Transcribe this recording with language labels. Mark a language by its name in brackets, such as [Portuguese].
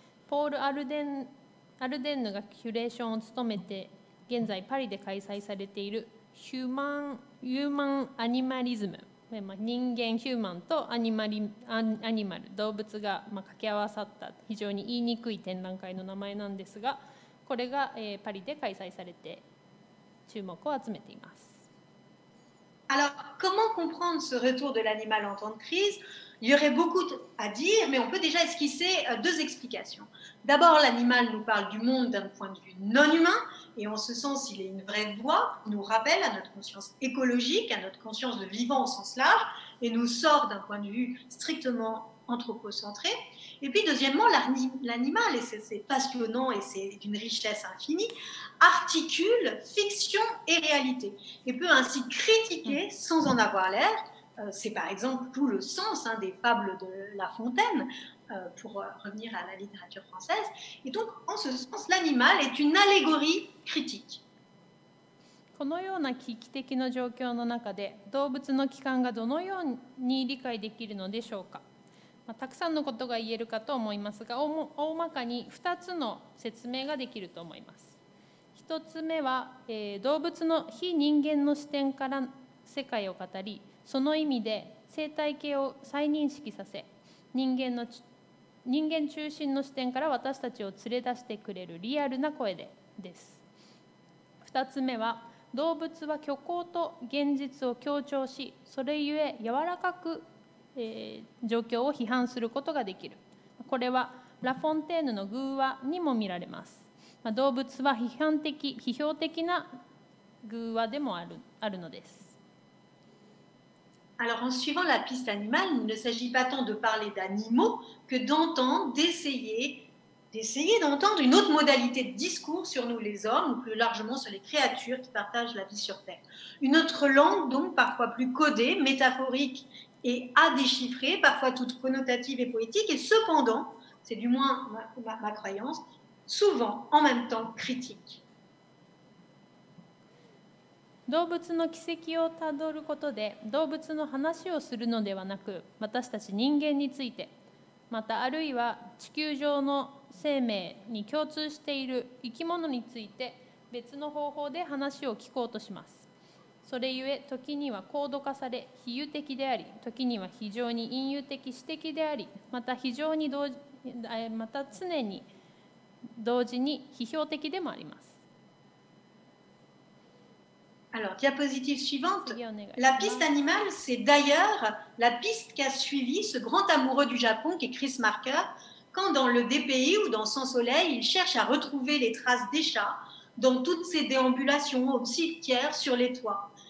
[Japanese] ポール・アルデンヌがキュレーションを務めて、現在パリで開催されているヒューマン・アニマリズム、人間ヒューマンとアニマル、動物が掛け合わさった非常に言いにくい展覧会の名前なんですが、これがパリで開催されて注目を集めています。 [French] Alors, comment comprendre ce retour de l'animal en temps de crise? Il y aurait beaucoup à dire, mais on peut déjà esquisser deux explications. D'abord, l'animal nous parle du monde d'un point de vue non humain. Et en ce sens, il est une vraie voix, nous rappelle à notre conscience écologique, à notre conscience de vivant au sens large, et nous sort d'un point de vue strictement anthropocentré. Et puis deuxièmement, l'animal, et c'est passionnant et c'est d'une richesse infinie, articule fiction et réalité, et peut ainsi critiquer sans en avoir l'air. C'est par exemple tout le sens hein, des fables de La Fontaine,pour revenir à la littérature française. Et donc, en ce sens, l'animal est une allégorie critique. [Japanese] このような危機的な状況の中で、動物の機関がどのように理解できるのでしょうか。まあ、たくさんのことが言えるかと思いますが、大まかに2つの説明ができると思います。1 つ目は、動物の非人間の視点から世界を語り、その意味で生態系を再認識させ、人間中心の視点から私たちを連れ出してくれるリアルな声でです。 2つ目は、動物は虚構と現実を強調し、それゆえ柔らかく、状況を批判することができる。これはラフォンテーヌの寓話にも見られます。動物は批評的な寓話でもあるのです。 [French] Alors, en suivant la piste animale, il ne s'agit pas tant de parler d'animaux que d'entendre, d'essayer d'entendre une autre modalité de discours sur nous les hommes, ou plus largement sur les créatures qui partagent la vie sur Terre. Une autre langue, donc, parfois plus codée, métaphorique et à déchiffrer, parfois toute connotative et poétique, et cependant, c'est du moins ma croyance, souvent en même temps critique. [Japanese] 動物の軌跡をたどることで動物の話をするのではなく、私たち人間について、またあるいは地球上の生命に共通している生き物について別の方法で話を聞こうとします。それゆえ時には高度化され比喩的であり、時には非常に隠喩的詩的であり、また非常に同時、また常に同時に批評的でもあります。 [French] Alors, diapositive suivante. La piste animale, c'est d'ailleurs la piste qu'a suivi ce grand amoureux du Japon qui est Chris Marker, quand dans le DPI ou dans Sans Soleil, il cherche à retrouver les traces des chats dans toutes ses déambulations au cimetière sur les toits.